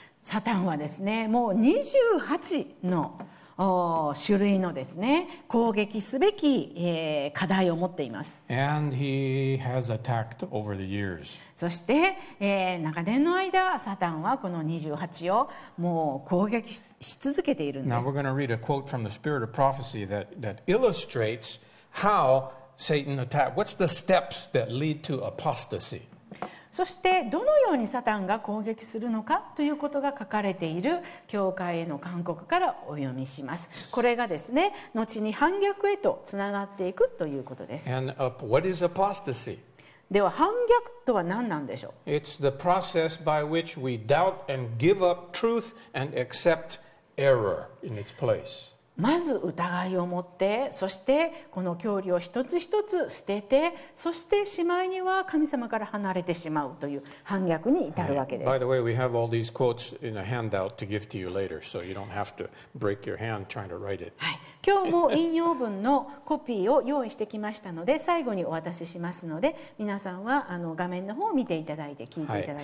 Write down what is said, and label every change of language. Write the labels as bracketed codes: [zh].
[ja] サタンはですね、もう28の種類のですね、攻撃すべき、課題を持っています。 [en] And he has attacked over the years. [ja] そして、長年の間、サタンはこの28をもう攻撃し続けているんです。 [en] Now we're going to read a quote from the Spirit of Prophecy that illustrates how Satan attacked. What's the steps that lead to apostasy? [ja] そしてどのようにサタンが攻撃するのかということが書かれている教会への勧告からお読みします。これがですね、後に反逆へとつながっていくということです。 [en] And what is apostasy? [ja] では反逆とは何なんでしょう? [en] It's the process by which we doubt and give up truth and accept error in its place. [ja] まず疑いを持って、そしてこの教理を一つ一つ捨てて、そしてしまいには神様から離れてしまうという反逆に至るわけです。 [en] By the way, we have all these quotes in a handout to give to you later, so you don't have to break your hand trying to write it. [ja] 今日も引用文のコピーを用意してきましたので、最後にお渡ししますので、皆さんはあの画面の方を見ていただいて、聞いていただいて、